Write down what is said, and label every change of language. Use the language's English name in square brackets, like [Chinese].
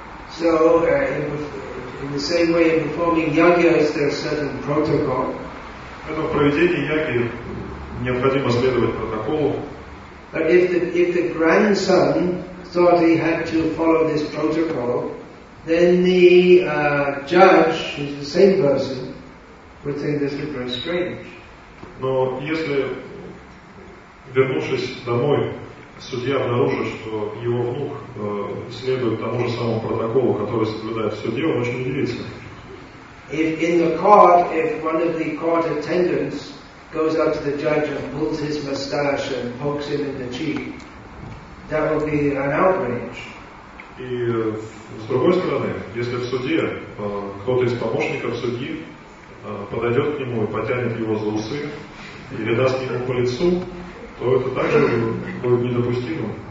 [English] So, in the same way in performing yagya, is there a certain protocol? [Russian] Поэтому в проведении яги необходимо следовать протоколу. [English] But if the grandson thought he had to follow this protocol, then the judge, who's the same person, would think this is very strange. [Russian] Но если, вернувшись домой, судья обнаружит, что его внук следует тому же самому протоколу, который соблюдает в суде, он очень удивится. [English] If in the court, if one of the court attendants goes up to the judge and pulls his mustache and pokes him in the cheek, that will be an outrage. [Russian] И с другой стороны, если в суде кто-то из помощников судьи подойдет к нему и потянет его за усы или даст ему по лицу, то это также будет недопустимо.